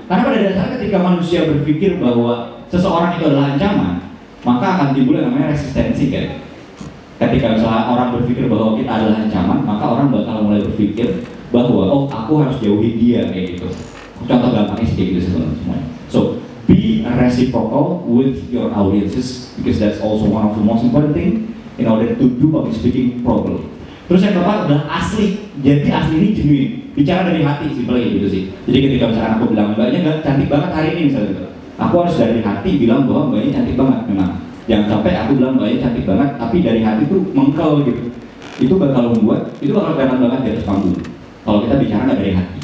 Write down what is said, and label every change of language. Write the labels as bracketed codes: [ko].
[id] Karena pada dasarnya ketika manusia berpikir bahwa seseorang itu adalah ancaman, maka akan timbul yang namanya resistensi kan. Ketika misalnya orang berpikir bahwa kita adalah ancaman, maka orang bakal mulai berpikir bahwa, oh aku harus jauhi dia, kayak gitu. Contoh gampangnya sih kayak gitu semuanya. [en] So, be reciprocal with your audiences, because that's also one of the most important thing in order to do public speaking properly. [id] Terus yang keempat adalah asli, jadi asli ini genuine. Bicara dari hati, simpelnya gitu sih. Jadi ketika misalkan aku bilang, mbaknya gak cantik banget hari ini misalnya gitu. Aku harus dari hati bilang bahwa mbaknya cantik banget, memang. Jangan sampai aku bilang mbaknya cantik banget, tapi dari hati tuh mengkel gitu. Itu bakal membuat, itu bakal keren banget di atas panggung. Kalau kita bicara gak dari hati.